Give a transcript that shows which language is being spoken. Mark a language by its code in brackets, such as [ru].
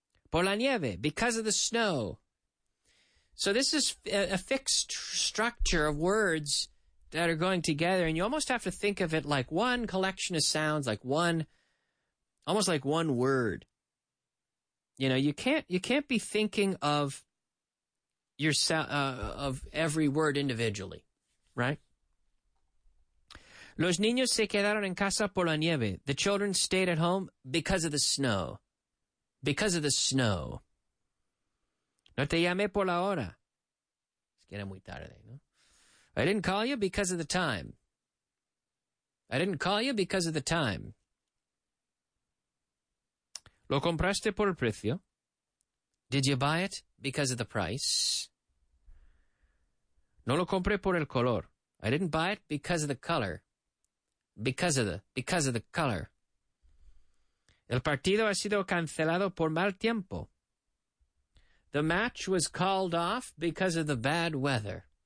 [es] Por la nieve, [en] because of the snow. So this is a fixed structure of words that are going together, and you almost have to think of it like one collection of sounds, like one, almost like one word. You know, you can't be thinking of yourself, of every word individually, right? [es] Los niños se quedaron en casa por la nieve. [en] The children stayed at home because of the snow. Because of the snow. [es] No te llamé por la hora. Es que era muy tarde, ¿no? [en] I didn't call you because of the time. I didn't call you because of the time. [es] Lo compraste por el precio. [en] Did you buy it because of the price? [es] No lo compré por el color. [en] I didn't buy it because of the color. Because of the color. [es] El partido ha sido cancelado por mal tiempo. [en] The match was called off because of the bad weather.